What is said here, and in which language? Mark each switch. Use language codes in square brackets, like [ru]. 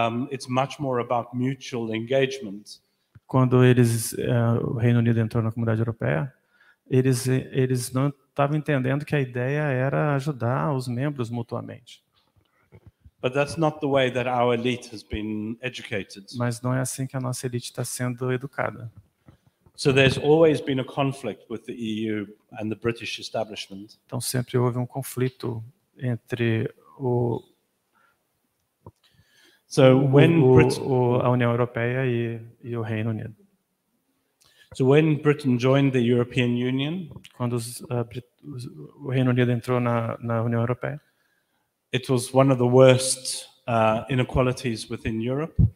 [en] It's much more about mutual engagement. [pt] Quando o Reino Unido entrou na Comunidade Europeia, eles não estavam entendendo que a ideia era ajudar os membros mutuamente. [en] But that's not the way that our elite has been educated. [pt] Mas não é assim que a nossa elite está sendo educada. [en] So there's always been a conflict with the EU and the British establishment. [pt] Então sempre houve um conflito entre a União Europeia e o Reino Unido. [en] So when Britain joined the European Union, [pt] quando o Reino Unido entrou na União Europeia, [en] it was one of the worst inequalities within Europe.